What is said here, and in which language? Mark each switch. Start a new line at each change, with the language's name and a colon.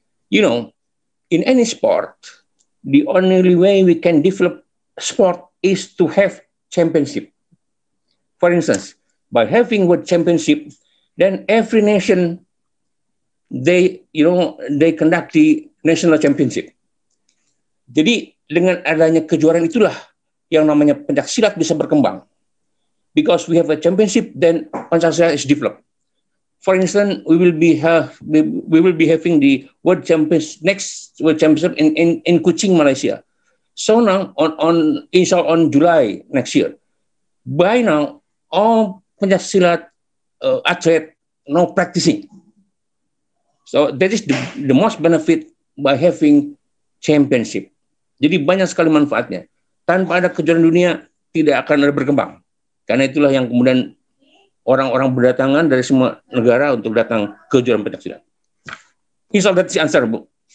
English: You know, in any sport, the only way we can develop sport is to have championship. For instance, by having World Championship, then every nation, they, you know, they conduct the national championship.
Indonesian: Jadi dengan adanya kejuaraan itulah yang namanya pencak silat bisa berkembang.
English: Because we have a championship, then pencak silat is developed. For instance, we will be having the World Champions, next World Championship in Kuching, Malaysia. So now on July next year. By now, all pencak silat athlete now practicing. So that is the most benefit by having championship.
Indonesian: Jadi banyak sekali manfaatnya. Tanpa ada kejuaraan dunia, tidak akan ada berkembang. Karena itulah yang kemudian orang-orang berdatangan dari semua negara untuk datang ke kejuaraan pencak silat.
English: Is all that the answer,
Indonesian: Bu?